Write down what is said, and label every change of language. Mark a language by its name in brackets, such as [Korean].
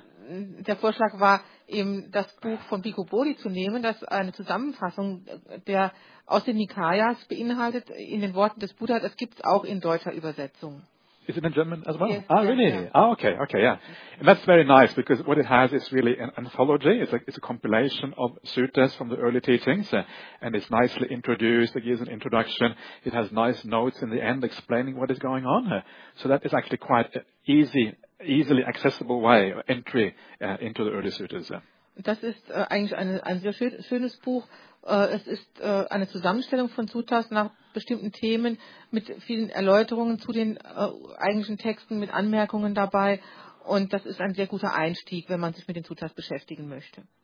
[German] Der Vorschlag war eben das Buch von Bhikkhu Bodhi zu nehmen, das eine Zusammenfassung der aus den Nikayas beinhaltet in den Worten des Buddha. Das gibt's auch in deutscher Übersetzung. [English] Is it in German as well? Yes. Ah, really? Yeah. Ah, okay, yeah. And that's very nice, because what it has is really an anthology. It's a compilation of suttas from the early teachings, and it's nicely introduced. It gives an introduction. It has nice notes in the end explaining what is going on. So that is actually quite an easily accessible way of entry into the early suttas. [German] Das ist eigentlich ein sehr schönes Buch. Es ist eine Zusammenstellung von Suttas nach bestimmten Themen mit vielen Erläuterungen zu den eigentlichen Texten, mit Anmerkungen dabei. Und das ist ein sehr guter Einstieg, wenn man sich mit den Suttas beschäftigen möchte.